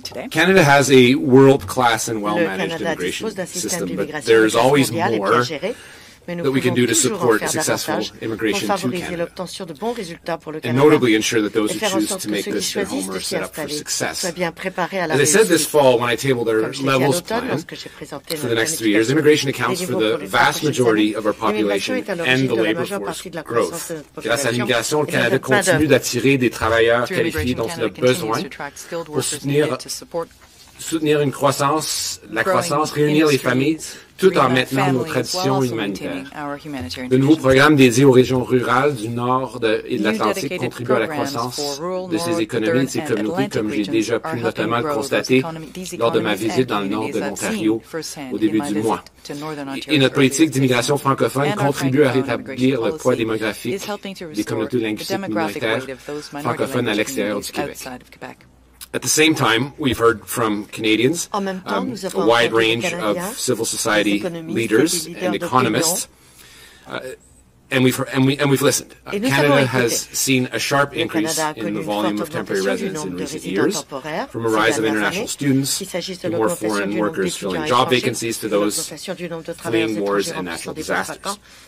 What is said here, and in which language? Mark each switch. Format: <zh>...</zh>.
<en>Canada has a world-class and well-managed immigration system, but there is always more that we can do to support successful immigration to Canada, and notably ensure that those who choose to make this their home are set up for success. As I said this fall when I tabled our levels plan for the next 3 years, immigration accounts for the vast majority of our population and the labor force growth.</en> <fr>Grâce à l'immigration, le Canada continue d'attirer des travailleurs qualifiés dont il a besoin pour soutenir une croissance, la croissance, réunir les familles, tout en maintenant nos traditions humanitaires. Le nouveau programme dédié aux régions rurales du Nord et de l'Atlantique contribue à la croissance de ces économies et de ces communautés, comme j'ai déjà pu notamment le constater lors de ma visite dans le Nord de l'Ontario au début du mois. Et notre politique d'immigration francophone contribue à rétablir le poids démographique des communautés linguistiques minoritaires francophones à l'extérieur du Québec.</fr> <en>At the same time, we've heard from Canadians, a wide range of civil society leaders and economists, and we've listened. Canada has seen a sharp increase in the volume of temporary residents in recent years, from a rise of international students to more foreign workers filling job vacancies to those fleeing wars and natural disasters.</en>